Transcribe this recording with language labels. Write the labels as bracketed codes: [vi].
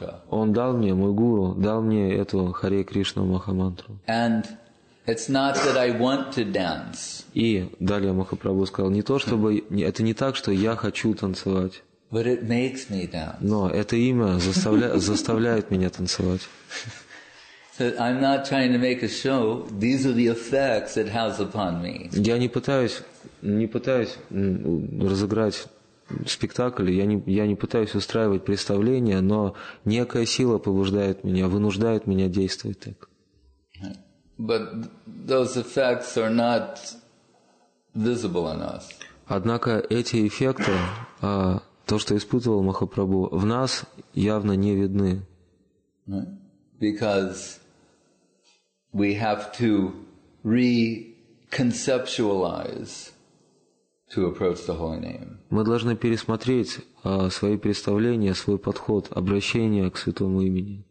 [ru] Он дал мне, мой гуру, дал мне эту Харе Кришна Махамантру. [en] It's not that I want to dance. [ru] И далее Махапрабху сказал, это не так, что я хочу танцевать. [en] But it makes me dance. [ru] Но это имя заставляет меня танцевать. [en] I'm not trying to make a show. These are the effects it has upon me. [ru] Я не пытаюсь разыграть спектакль, я не пытаюсь устраивать представление, но некая сила побуждает меня, вынуждает меня действовать так. [en] But those effects are not visible on us. [ru] Однако эти эффекты То, что испытывал Махапрабху, в нас явно не видны. [en] Because we have to reconceptualize to approach the holy name. [ru] Мы должны пересмотреть свои представления, свой подход, обращение к святому имени.